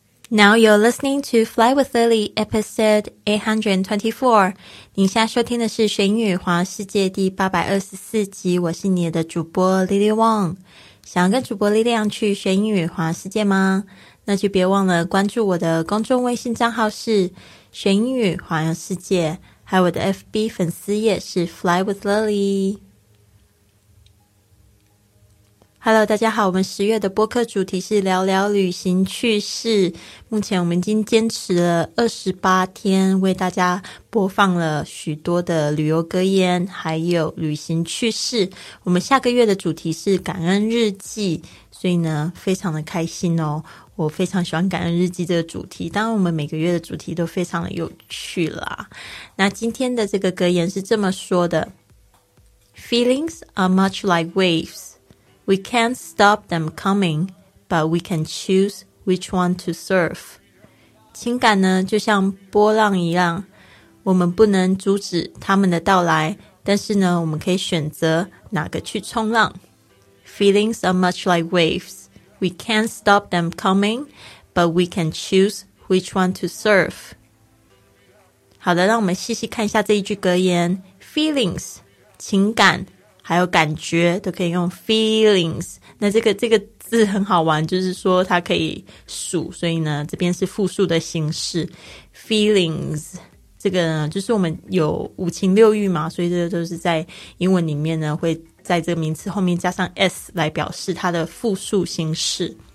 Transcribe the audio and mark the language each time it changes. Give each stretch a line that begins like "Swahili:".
English: Now you're listening to Fly with Lily, episode 824.
Chinese: 你现在收听的是《学英语环游世界》第824集。我是你的主播 Lily Wang。想要跟主播 Lily Wang 去学英语环游世界吗？那就别忘了关注我的公众微信账号是《学英语环游世界》，还有我的 FB 粉丝页是 Fly with Lily。 Hello， 大家好，我们十月的播客主题是聊聊旅行趣事。目前我们已经坚持了28天，为大家播放了许多的旅游格言，还有旅行趣事。我们下个月的主题是感恩日记，所以呢，非常的开心哦。我非常喜欢感恩日记这个主题，当然我们每个月的主题都非常的有趣啦。那今天的这个格言是这么说的 ：
English: Feelings are much like waves. We can't stop them coming, but we can choose which one to surf.
Chinese: 情感呢，就像波浪一样，我们不能阻止他们的到来，但是呢，我们可以选择哪个去冲浪。
English: Feelings are much like waves. We can't stop them coming, but we can choose which one to surf.
Chinese: 好的，让我们细细看一下这一句格言。Feelings, 情感。还有感觉都可以用 feelings， 那这个字很好玩，就是说它可以数，所以呢这边是复数的形式 feelings， 这个呢就是我们有五情六欲嘛，所以这个都是在英文里面呢会在这个名词后面加上 s 来表示它的复数形式。